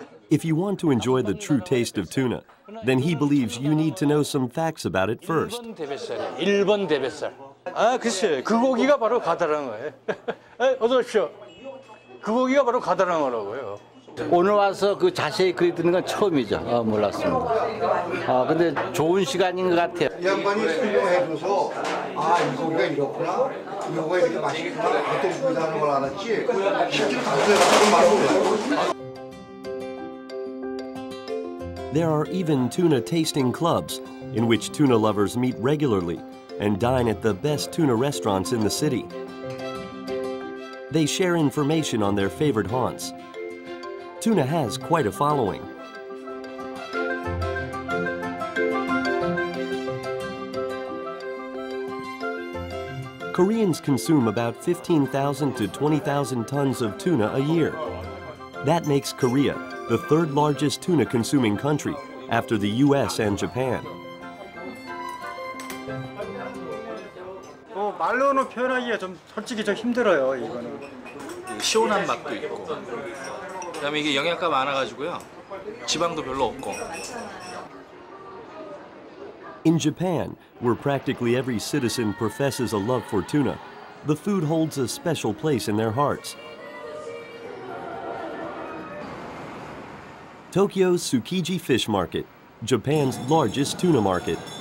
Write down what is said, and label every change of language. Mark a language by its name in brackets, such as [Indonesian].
[English] If you want to enjoy the true taste of tuna, then he believes you need to know some facts about it first. [Korean] 1번 대뱃살. 아, 글쎄. 그 고기가 바로 가다랑어예요. 에, 어서 오십시오. 그 고기가 바로 가다랑어라고요. 오늘 와서 그 자세히 그리 듣는 건 처음이죠. 아, 몰랐습니다. 아, 근데 좋은 시간인 것 같아요. 이 양반이 설명해 줘서 아, 이거가 이렇구나. 이거가 이렇게 맛있구나. 어떤 부위라는 걸 알았지. 실제로 다수에 맞는 말은 [English] There are even tuna tasting clubs in which tuna lovers meet regularly and dine at the best tuna restaurants in the city. They share information on their favorite haunts. Tuna has quite a following. Koreans consume about 15,000 to 20,000 tons of tuna a year. That makes Korea the third largest tuna consuming country after the US and Japan. [Korean] 어, 말로는 표현하기가 좀 솔직히 좀 힘들어요, 이거는. 시원한 맛도 있고. 그다음에 이게 영양가 많아 가지고요. 지방도 별로 없고. [English] In Japan, where practically every citizen professes a love for tuna, the food holds a special place in their hearts. Tokyo's Tsukiji Fish Market, Japan's largest tuna market.